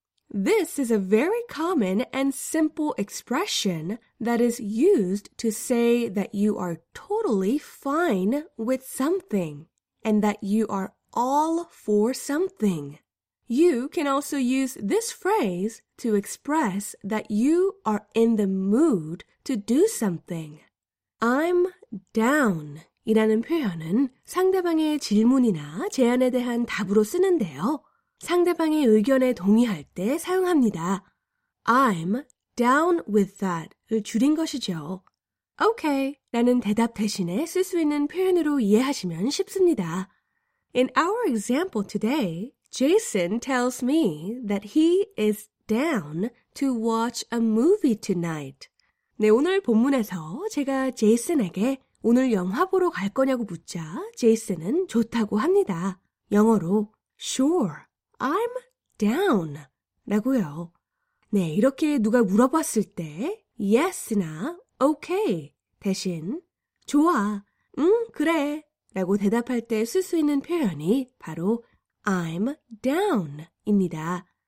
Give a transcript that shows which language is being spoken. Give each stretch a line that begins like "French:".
English: This is a very common and simple expression that is used to say that you are totally fine with something and that you are all for something. You can also use this phrase to express that you are in the mood to do something. I'm down
Korean: 이라는 표현은 상대방의 질문이나 제안에 대한 답으로 쓰는데요. 상대방의 의견에 동의할 때 사용합니다.
English: I'm down with that을
Korean: 줄인 것이죠. Okay 라는 대답 대신에 쓸 수 있는 표현으로 이해하시면 쉽습니다.
English: In our example today, Jason tells me that he is down to watch a movie tonight.
Korean: 네, 오늘 본문에서 제가 제이슨에게 오늘 영화 보러 갈 거냐고 묻자 제이슨은 좋다고 합니다. 영어로
English: Sure. I'm down
Korean: 라고요. 네, 이렇게 누가 물어봤을 때 yes나 okay 대신 좋아, 응, 그래 라고 대답할 때 쓸 수 있는 표현이 바로
English: I'm down
Korean: 입니다.